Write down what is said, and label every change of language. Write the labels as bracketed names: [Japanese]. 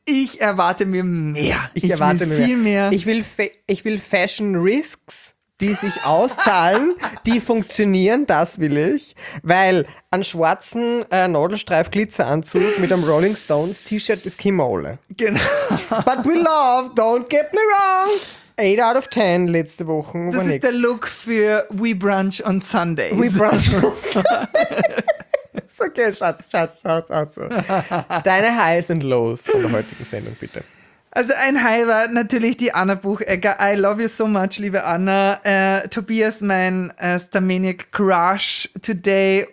[German] Ich erwarte mir mehr. Ich erwarte mir viel mehr. Ich will Fashion Risks. die sich auszahlen, die funktionieren, das will ich. Weil ein schwarzen Nadelstreif-Glitzeranzug mit einem Rolling Stones-T-Shirt ist keine Mole. Genau. [English] But we love, don't get me wrong. 8 out of 10 [German] letzte Woche. Das ist der Look für We Brunch on Sundays. [English] We Brunch on Sundays. [German] Ist okay, Schatz, auch so. Deine Highs and Lows von der heutigen Sendung, bitte. Also ein High war natürlich die Anna Buchegger. [English] I love you so much, [German] liebe [English] Anna. Tobias, mein Starmaniac Crush today.